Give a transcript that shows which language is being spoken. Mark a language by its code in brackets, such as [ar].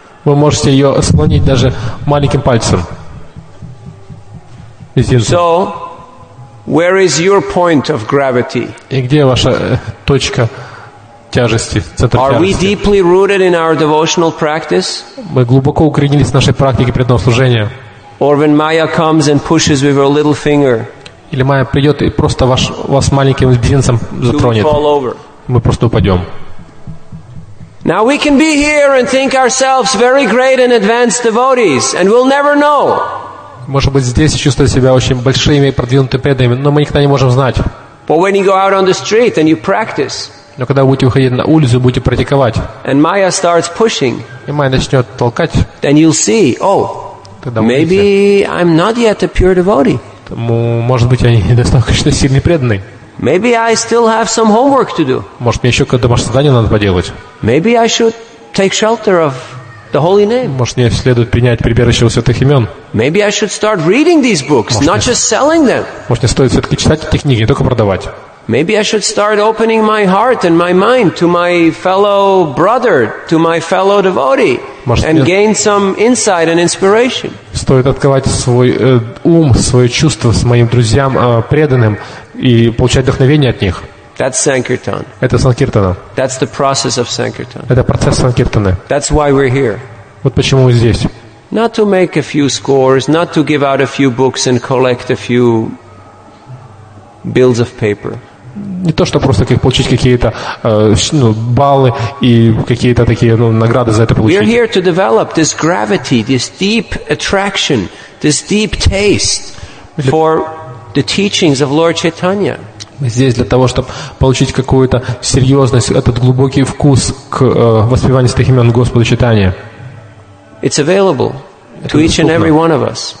[ru] Вы можете ее склонить даже маленьким пальцем. [en] So, where is your point of gravity? [ru] И где ваша точка тяжести, центр [en] Are [ru] тяжести. [en] We deeply rooted in our devotional practice? [ru] Мы глубоко укоренились в нашей практике преданного служения. [en] Or when Maya comes and pushes with her little finger? [ru] Или Майя придет и просто вас маленьким мизинцем затронет? Мы просто упадем. [en] Now we can be here and think ourselves very great and advanced devotees, and we'll never know. [ru] Может быть, здесь чувствовать себя очень большими и продвинутыми преданными, но мы никогда не можем знать. [en] But when you go out on the street and you practice, [ru] но когда вы будете выходить на улицу, будете практиковать, [en] and Maya starts pushing, [ru] и Майя начнет толкать, [en] then you'll see, oh, maybe I'm not yet a pure devotee. [ru] Может быть, я недостаточно сильный преданный. [en] Maybe I still have some homework to do. [ru] Может, мне еще какое-то домашнее задание надо поделать. [en] Maybe I should take shelter of the holy name. [ru] Может, мне следует принять прибежище у святых имен. [en] Maybe I should start reading these books, not just selling them. [ru] Может, мне стоит все-таки читать эти книги, не только продавать. [en] Maybe I should start opening my heart and my mind to my fellow brother, to my fellow devotee, and gain some insight and inspiration. [ru] Стоит открывать свой ум, свои чувства с моим друзьям преданным и получать вдохновение от них. [en] That's sankirtan. [ru] Это санкиртана. [en] That's the process of sankirtan. [ru] Это процесс санкиртаны. [en] That's why we're here. [ru] Вот почему мы здесь. [en] Not to make a few scores, not to give out a few books and collect a few bills of paper. [ru] Не то, чтобы просто получить какие-то баллы и какие-то такие награды за это получить. [en] We're here to develop this gravity, this deep attraction, this deep taste for the teachings of Lord Chaitanya. [ru] Мы здесь для того, чтобы получить какую-то серьезность, этот глубокий вкус к воспеванию святых имен Господа Чайтаньи. [en] It's available to each and every one of us.